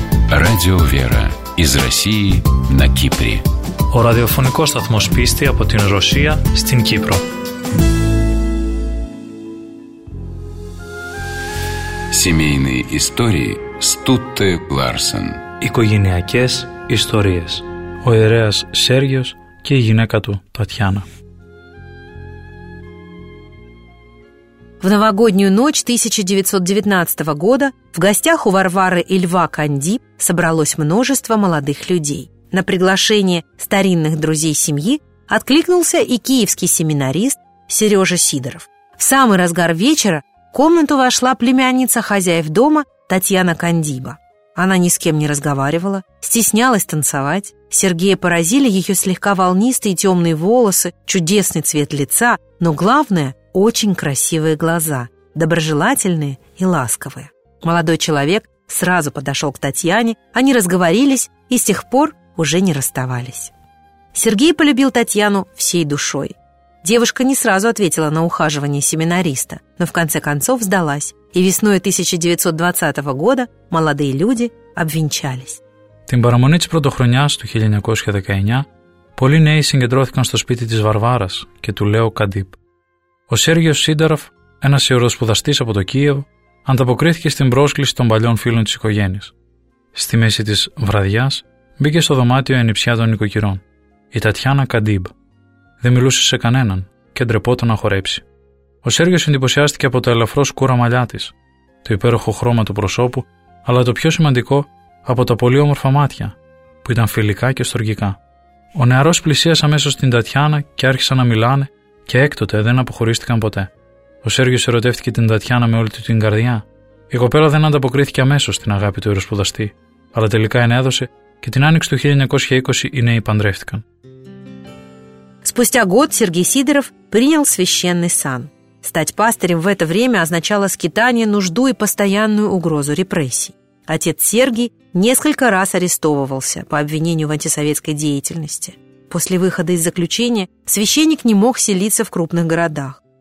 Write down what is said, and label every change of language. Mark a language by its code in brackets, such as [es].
[ru] Радио Вера из России на Кипре. [el] О радиофонικός сταθμός πίστη από την Ρωσία στην Κύπρο. [ru] Семейные истории Стутте Ларсен. [el] Οικογενειακές ιστορίες. Ο ιερέας Σέργιος και η γυναίκα του Τατιάνα. [ru] В новогоднюю ночь 1919 года в гостях у Варвары и Льва Канди собралось множество молодых людей. На приглашение старинных друзей семьи откликнулся и киевский семинарист Сережа Сидоров. В самый разгар вечера в комнату вошла племянница хозяев дома Татьяна Кандиба. Она ни с кем не разговаривала, стеснялась танцевать. Сергея поразили ее слегка волнистые темные волосы, чудесный цвет лица, но главное – очень красивые глаза, доброжелательные и ласковые. Молодой человек сразу подошел к Татьяне, они разговорились и с тех пор уже не расставались. Сергей полюбил Татьяну всей душой. Девушка не сразу ответила на ухаживание семинариста, но в конце концов сдалась, и весной 1920 года молодые люди обвенчались. [el] Την παραμονή της Πρωτοχρονιάς του 1919, πολλοί νέοι συγκεντρώθηκαν στο σπίτι της Βαρβάρας και του Λέο Καντίπ. Ο Σέργιος Σίνταροφ, ένας ιεροσπουδαστής από το Κίεβο, ανταποκρίθηκε στην πρόσκληση των παλιών φίλων της οικογένειας. Στη μέση της βραδιάς, μπήκε στο δωμάτιο η ανιψιά των νοικοκυρών, η Τατιάνα Καντίπ. Δεν μιλούσε σε κανέναν και ντρεπόταν να χορέψει. Ο Σέργιος εντυπωσιάστηκε από το ελαφρώ σκούρα μαλλιά της, το υπέροχο χρώμα του προσώπου, αλλά το πιο σημαντικό, από τα πολύ όμορφα μάτια, που ήταν φιλικά και στοργικά. Ο νεαρός πλησίασε αμέσως την Τατιάνα και άρχισαν να μιλάνε και έκτοτε δεν αποχωρίστηκαν ποτέ. Ο Σέργιος ερωτεύτηκε την Τατιάνα με όλη του την καρδιά. Η κοπέλα δεν ανταποκρίθηκε αμέσως στην αγάπη του ιεροσπουδαστή, αλλά τελικά ενέδωσε και την άνοιξη του 1920 οι νέοι παντρεύτηκαν. [ru] Спустя год Сергей Сидоров принял священный сан. Стать пастырем в это время означало скитание, нужду и постоянную угрозу репрессий. Отец Сергий несколько раз арестовывался по обвинению в антисоветской деятельности. После выхода из заключения священник не мог селиться в крупных городах.